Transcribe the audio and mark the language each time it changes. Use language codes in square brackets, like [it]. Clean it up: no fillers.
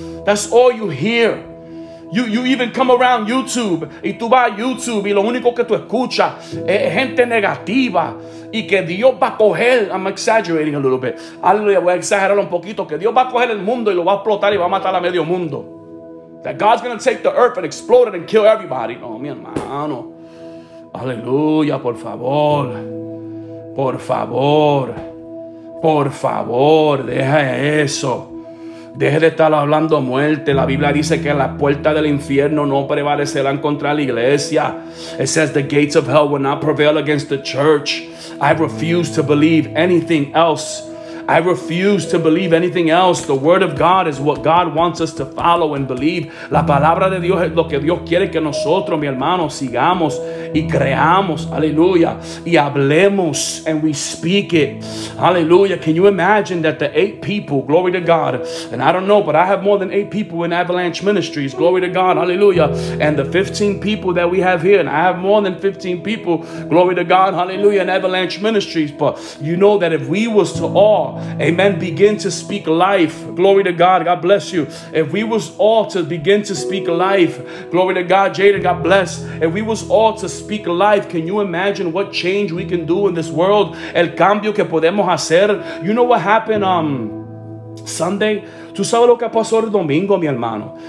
[en] That's all you hear. You even come around YouTube, [es] y tú vas a YouTube, y lo único que tú escuchas es gente negativa, y que Dios va a coger, [en] I'm exaggerating a little bit, [es] hallelujah, voy a exagerarlo un poquito, que Dios va a coger el mundo y lo va a explotar y va a matar a medio mundo. [en] That God's going to take the earth and explode it and kill everybody. [es] No, mi hermano, aleluya, por favor, por favor, por favor, deja eso. Deje de estar hablando muerte. La Biblia dice que las puertas del infierno no prevalecerán contra la iglesia. [en] It says the gates of hell will not prevail against the church. I refuse to believe anything else. I refuse to believe anything else. The word of God is what God wants us to follow and believe. [es] La palabra de Dios es lo que Dios quiere que nosotros, mi hermano, sigamos y creamos. Aleluya. Y hablemos, [en] and we speak it. [es] Aleluya. [en] Can you imagine that the 8 people, glory to God, and I don't know, but I have more than 8 people in Avalanche Ministries. Glory to God. Aleluya. And the 15 people that we have here, and I have more than 15 people, glory to God. Aleluya. In Avalanche Ministries. But you know that if we was to all, amen, begin to speak life, glory to God, God bless you. If we was all to begin to speak life, glory to God, Jaden, God bless. If we was all to speak life, can you imagine what change we can do in this world? [es] El cambio que podemos hacer. [en] You know what happened Sunday? [es] Tú sabes lo que pasó el domingo, mi hermano.